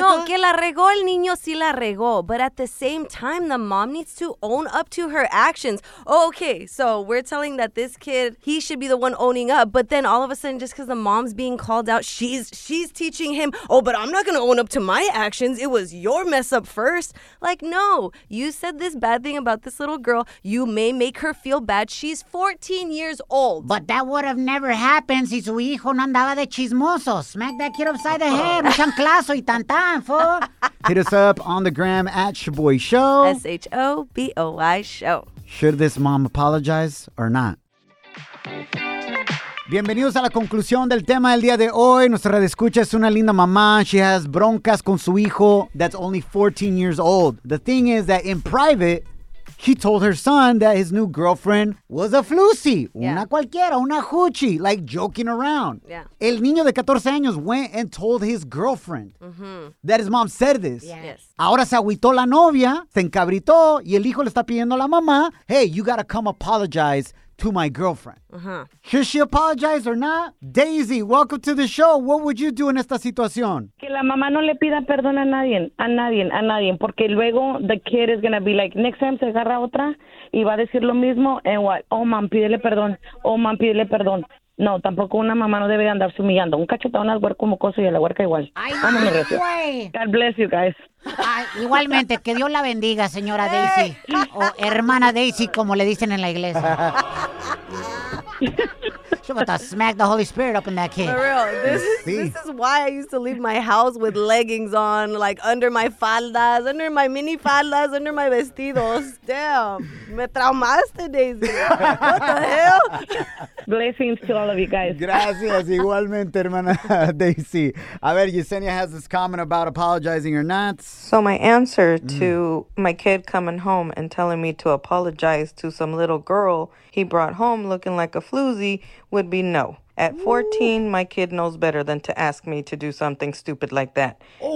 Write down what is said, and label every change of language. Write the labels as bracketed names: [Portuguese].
[Spanish] No, que la regó el niño sí la regó. [English] But at the same time, the mom needs to own up to her actions. Oh, okay, so we're telling that this kid, he should be the one owning up, but then all of a sudden, just because the mom's being called out, she's teaching him, oh, but I'm not gonna own up to my actions, it was your mess up first. Like, no, you said this bad thing about this little girl, you may make her feel bad, she's 14 years old. But that would have never happened [Spanish] si su hijo no andaba de chismoso. [English] Smack that kid upside the head, [Spanish] un chanclazo y tan tan, [English] fo. Hit us up on the gram at Shaboy Show. Shaboy Show. Should this mom apologize or not? [Spanish] Bienvenidos a la conclusión del tema del día de hoy. Nuestra radioescucha es una linda mamá. [English] She has [Spanish] broncas con su hijo [English] that's only 14 years old. The thing is that in private, he told her son that his new girlfriend was a floozy. Yeah. [Spanish] Una cualquiera, una [English] hoochie, like joking around. Yeah. [Spanish] El niño de 14 años [English] went and told his girlfriend that his mom said this. Yes. [Spanish] Ahora se agüitó la novia, se encabritó, y el hijo le está pidiendo a la mamá, [English] hey, you gotta come apologize to my girlfriend. Should she apologize or not? Daisy, welcome to the show. What would you do in [Spanish] esta situación? Que la mamá no le pida perdón a nadie, a nadie, a nadie, porque luego [English] the kid is gonna be like, next time [Spanish] se agarra otra y va a decir lo mismo, [English] and what? Oh, mam, [Spanish] pídele perdón. Oh, mam, pídele perdón. No, tampoco una mamá no debe de andarse humillando. Un cachetón al huerco como cosa y a la huerca igual. ¡Ay, no, güey! [English] God bless you guys. [Spanish] Ah, igualmente, que Dios la bendiga, señora Daisy. O hermana Daisy, como le dicen en la iglesia. [English] She's about to smack the Holy Spirit up in that kid. For real, this is why I used to leave my house with leggings on, like under my faldas, under my mini faldas, under my vestidos. Damn, [Spanish] me traumaste, [English] Daisy. What the hell? Blessings to all of you guys. [Spanish] Gracias, igualmente, hermana Daisy. A ver, [English] Yesenia has this comment about apologizing or not. So my answer to my kid coming home and telling me to apologize to some little girl he brought home looking like a floozy would be no. At 14, my kid knows better than to ask me to do something stupid like that. Oh.